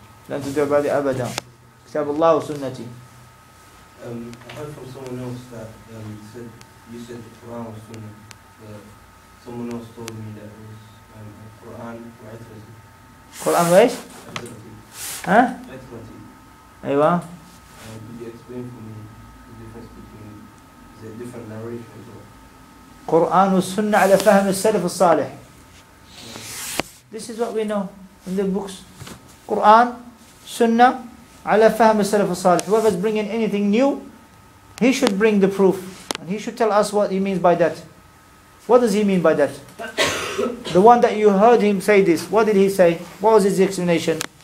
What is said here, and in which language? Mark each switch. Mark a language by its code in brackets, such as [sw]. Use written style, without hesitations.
[ar] لن تدعو بعد أبدا كتاب الله وسنتي. [en] I heard from someone else that you said the Quran was sunnah. Someone else told me that it was Quran [ar] وعترتي. Quran وإيش؟ عترتي. ها؟ عترتي. أيوة. [en] Could you explain for me the difference between the different narrations or [ar] Quran والسنة على فهم السلف الصالح. [en] This is what we know in the books. Quran, Sunnah, [ar] ala fahm as-salaf as-salih. [en] Whoever's bringing anything new, he should bring the proof. And he should tell us what he means by that. What does he mean by that? The one that you heard him say this, what did he say? What was his explanation?